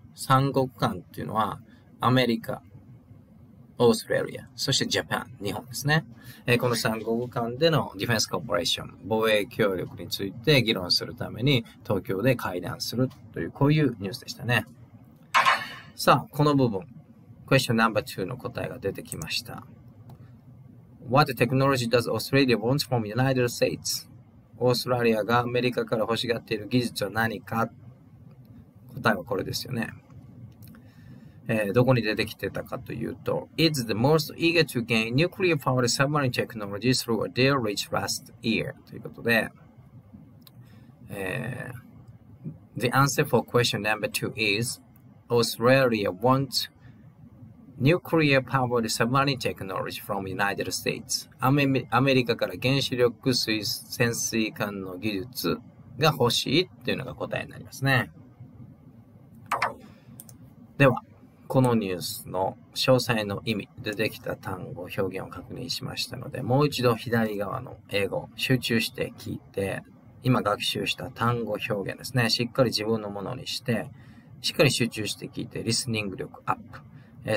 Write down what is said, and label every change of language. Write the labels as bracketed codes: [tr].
[ja] 三国間っていうのは、アメリカ、オーストラリア、そしてジャパン、日本ですね。この3国間でのディフェンスコーポレーション、防衛協力について議論するために東京で会談するという、こういうニュースでしたね。さあ、この部分、クエスチョンナンバー2の答えが出てきました。 [en] What technology does Australia want from the United States? [ja] オーストラリアがアメリカから欲しがっている技術は何か？答えはこれですよね。どこに出てきてたかというと、 [en] It's the most eager to gain nuclear-powered submarine technology through a deal reached last year. [ja] ということで、 [en] The answer for question number two is, Australia wants nuclear-powered submarine technology from the United States. [ja] アメリカから原子力水潜水艦の技術が欲しいというのが答えになりますね。では、このニュースの詳細の意味、出てきた単語、表現を確認しましたので、もう一度左側の英語、集中して聞いて、今学習した単語表現ですね、しっかり自分のものにして、しっかり集中して聞いて、リスニング力アップ。